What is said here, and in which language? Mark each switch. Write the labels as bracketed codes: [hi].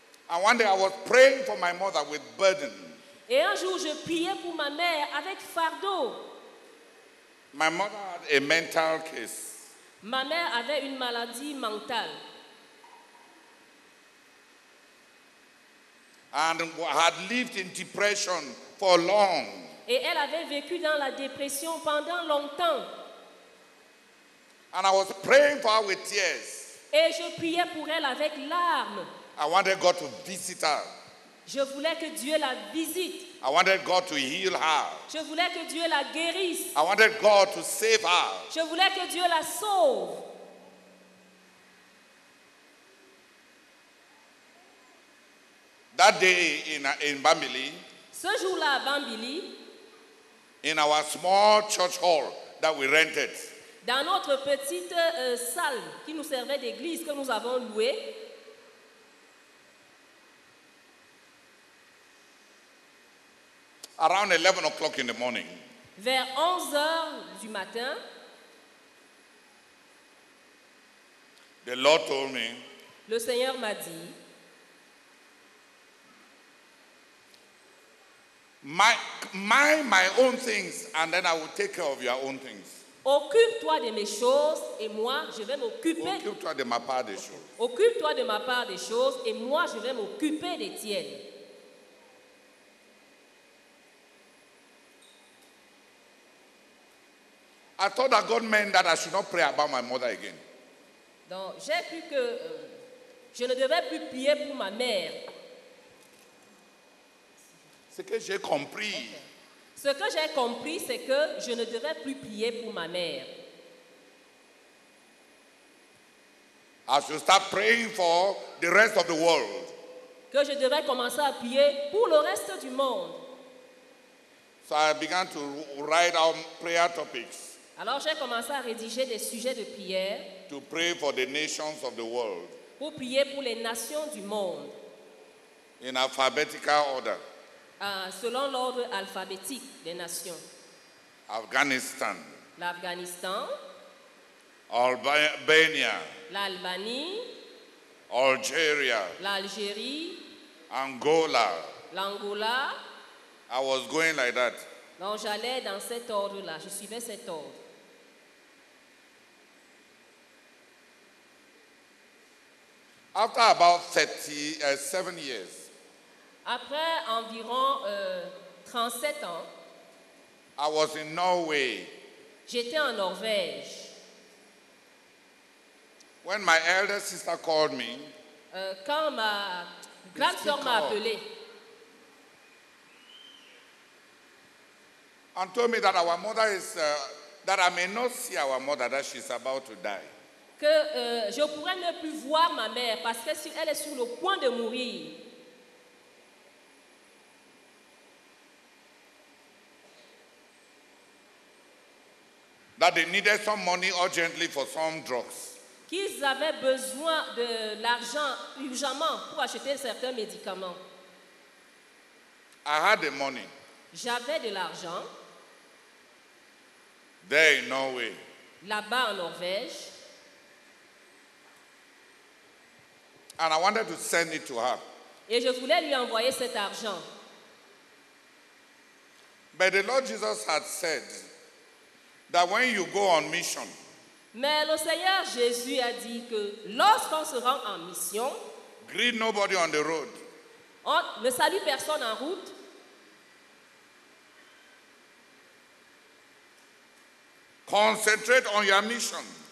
[en] And one day I was praying for my mother with burden. [fr] Et un jour, je priais pour ma mère avec fardeau. [en] My mother had a mental case. [fr] Ma mère avait une maladie mentale. [en] And had lived in depression for long. [fr] Et elle avait vécu dans la dépression pendant longtemps. [en] And I was praying for her with tears. [fr] Et je priais pour elle avec larmes. [en] I wanted God to visit her. [fr] Je voulais que Dieu la visite. [en] I wanted God to heal her. [fr] Je voulais que Dieu la guérisse. [en] I wanted God to save her. [fr] Je voulais que Dieu la sauve. [en] That day in Bambili, [fr] ce jour-là à Bambili, [en] in our small church hall that we rented, [fr] dans notre petite salle qui nous servait d'église que nous avons louée, [en] around 11 o'clock in the morning, [fr] vers 11h du matin, [en] the Lord told me, [fr] le Seigneur m'a dit, [en] mind my own things and then I will take care of your own things. [fr] Occupe-toi de mes choses et moi je vais m'occuper. Occupe-toi de ma part des choses. Occupe-toi de ma part des choses et moi je vais m'occuper des tiennes. [en] I thought that God meant that I should not pray about my mother again. [fr] Donc j'ai cru que je ne devais plus prier pour ma mère. Ce que j'ai compris. Ce que j'ai compris, c'est que je ne devais plus prier pour ma mère. [en] I should start praying for the rest of the world. [fr] Que je devais commencer à prier pour le reste du monde. [en] So I began to write out prayer topics. [fr] Alors j'ai commencé à rédiger des sujets de prière. [en] To pray for the nations of the world. [fr] Pour prier pour les nations du monde. [en] In alphabetical order. [fr] Selon l'ordre alphabétique des nations. [en] Afghanistan. [fr] L'Afghanistan. [en] Albania. [fr] L'Albanie. [en] Algeria. [fr] L'Algérie. [en] Angola. [fr] L'Angola. [en] I was going like that. [fr] Donc j'allais dans cet ordre-là, je suivais cet ordre. [en] After about 37 years, [fr] après environ 37 ans, [en] I was in Norway. [fr] J'étais en Norvège. [en] When my elder sister called me, [fr] quand ma grande sœur m'a appelé, [en] and told me that our mother is that I may not see our mother, that she's about to die. [fr] Que je pourrais ne plus voir ma mère parce que si elle est sur le point de mourir. [en] That they needed some money urgently for some drugs. [fr] Qu'ils avaient besoin de l'argent urgentement pour acheter certains médicaments. [en] I had the money. [fr] J'avais de l'argent. [en] There in Norway. [fr] Là-bas en Norvège. [en] And I wanted to send it to her. [fr] Et je voulais lui envoyer cet argent. [en] But the Lord Jesus had said that when you go on mission, [fr] mais le Seigneur Jésus a dit que lorsqu'on se rend en mission, [en] greet nobody on the road, [fr] on ne salue personne en route, [en] concentrate on your mission,